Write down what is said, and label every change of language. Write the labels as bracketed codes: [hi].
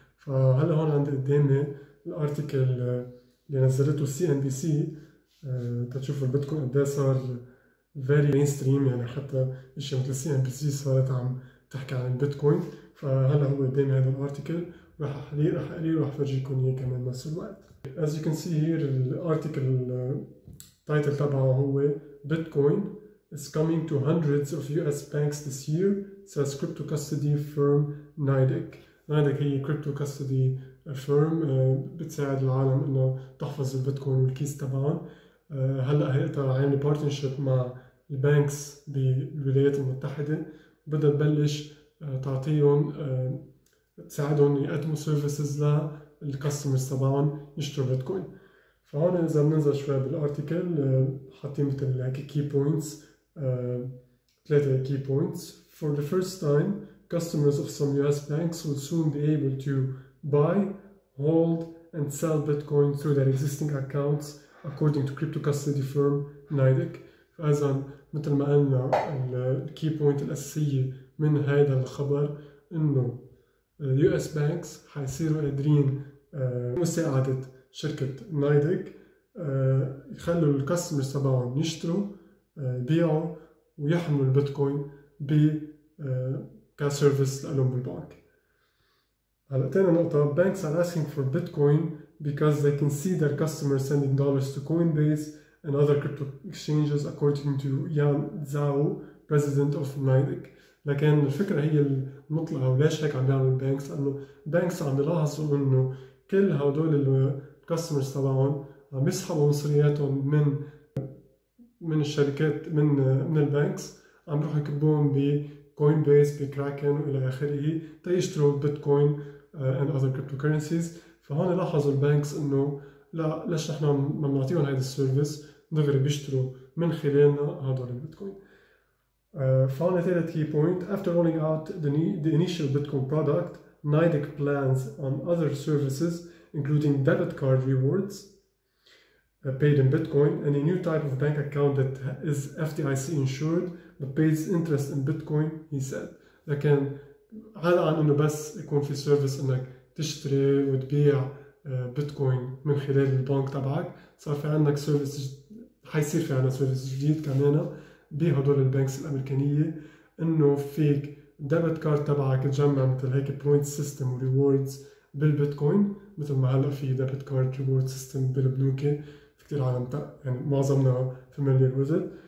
[ar] فهلا هون عندي قدامي الارتيكل اللي نزلته سي ان بي سي تشوفوا البيتكوين قديه صار فيري مين ستريم، يعني حتى اشي مثل سي ان بي سي صارت عم تحكي عن البيتكوين. فهلا هو قدامي هذا الارتيكل راح احليه راح اقريه راح افرجيكم اياه كمان بنفس الوقت. [en] As you can see here [ar] الارتيكل التايتل تبعه هو بيتكوين [en] is coming to hundreds of US banks this year says crypto custody firm NYDIG. [ar] NYDIG هي [en] crypto custody firm [ar] بتساعد العالم انه تحفظ البيتكوين والكيس تبعهم. هلا هيقدر عامل partnership مع البانكس بالولايات المتحده، بدها تبلش تعطيهم تساعدهم يقدموا services للكاستمرز تبعهم يشتروا بيتكوين. فهون اذا بننزل شوي بالارتيكل حاطين مثل هيك key points، ثلاثة key points. [en] For the first time, customers of some US banks will soon be able to buy, hold, and sell Bitcoin through their existing accounts, according to crypto custody firm NYDIG. [ar] فإذا مثل ما قلنا الـ key point الأساسية من هذا الخبر إنه US banks حيصيروا قادرين مساعدة شركة NYDIG يخلوا الـ customers تبعهم يشتروا بيعوا ويحملوا البيتكوين ب كسيرفيس لهم بالبنك. هلا تاني نقطة، [en] banks are asking for bitcoin because they can see their customers sending dollars to Coinbase and other crypto exchanges according to Yan Zhao, president of NYDIG. [ar] لكن الفكرة هي المطلقة وليش هيك عم بيعمل banks، انه banks عم بيلاحظوا انه كل هدول الكاستمرز تبعهم عم يسحبوا مصرياتهم من الشركات من البنكس عم بروح يكبون بكوين بيس بكراكن وإلى آخره تيشتروا بيتكوين [en] and other cryptocurrencies. [ar] فهون لاحظوا البنكس إنه لا ليش إحنا ما نعطيهم هذا السيرفيس دغري بيشتروا من خلالنا هذول البيتكوين. فهون ثالث [en] key point، after rolling out the initial Bitcoin product NYDIG plans on other services including debit card rewards paid in Bitcoin and a new type of bank account that is FDIC insured but pays interest in Bitcoin, he said. [ar] لكن على عن انه بس يكون في سيرفيس انك تشتري وتبيع بيتكوين من خلال البنك تبعك، صار في عندك سيرفيس، حيصير في عندك سيرفيس جديد كمان بهدول البنكس الامريكانيه انه فيك ديبت كارد تبعك تجمع مثل هيك بوينت سيستم وريوردز بالبيتكوين، مثل ما هلا في ديبت كارد ريورد سيستم بالبنوكي كتير عالم يعني معظمنا [en] familiar with it.